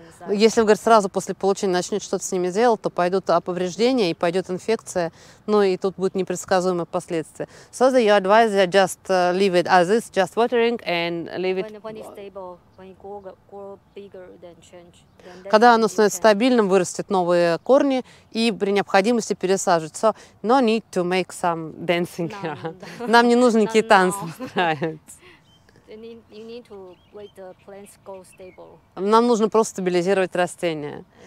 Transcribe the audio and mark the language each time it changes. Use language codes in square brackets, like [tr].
[ru] Если, говорит, сразу после получения начнет что-то с ними делать, то пойдут повреждения и пойдет инфекция, ну и тут будут непредсказуемые последствия. [en] So that you advise that just leave it as is, just watering and leave it. When it's stable, when it grow bigger, then change. [ru] Когда оно становится стабильным, вырастет новые корни и при необходимости пересаживать. [en] So no need to make some dancing here. [ru] Нам не нужны какие танцы устраивать. [en] You need to wait the plants go stable. [ru] Нам нужно просто стабилизировать растения.